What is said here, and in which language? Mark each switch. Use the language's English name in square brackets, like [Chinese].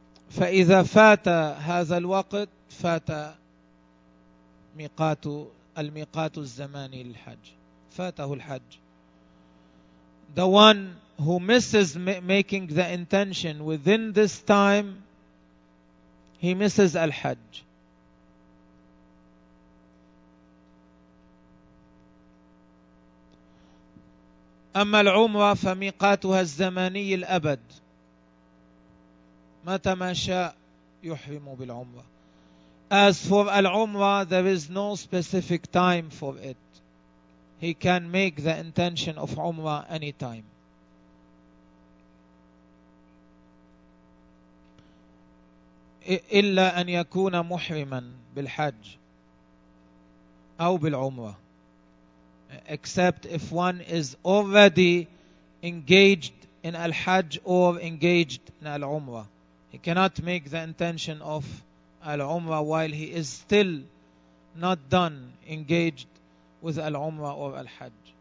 [Arabic] فإذا فات هذا الوقت فات ميقات الميقات الزماني للحج فاته الحج. [English] The one who misses making the intention within this time, he misses al-Hajj. [Arabic] أما العمرة فميقاتها الزماني الأبد. متى ما شاء يحرم بالعمرة. [English] As for al-Umrah, there is no specific time for it. He can make the intention of Umrah anytime. [Arabic] إلا أن يكون محرما بالحج أو بالعمرة. [English] Except if one is already engaged in al-Hajj or engaged in al-Umrah. He cannot make the intention of al-Umrah while he is still not done engaged with al-Umrah or al-Hajj.